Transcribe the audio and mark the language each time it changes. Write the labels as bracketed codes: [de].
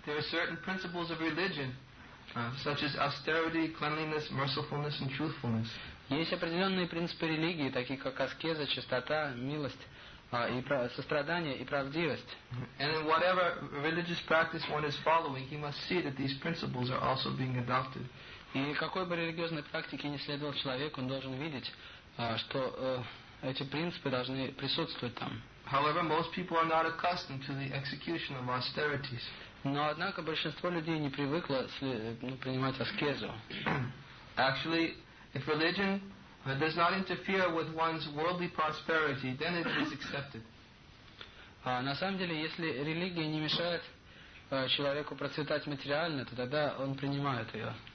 [en] There are certain principles of religion, such as austerity, cleanliness, mercifulness, and truthfulness. [ru] Есть определенные принципы религии, такие как аскеза, чистота, милость, и сострадание и правдивость. [en] And in whatever religious practice one is following, he must see that these principles are also being adopted. [ru] И какой бы религиозной практике ни следовал человек, он должен видеть, что эти принципы должны присутствовать там. [en] However, most people are not accustomed to the execution of austerities. [ru] Но однако большинство людей не привыкло принимать аскезу. [en] Actually, if religion does not interfere with one's worldly prosperity, then it is accepted. [ru] На самом деле, если религия не мешает человеку процветать материально, то тогда он принимает ее.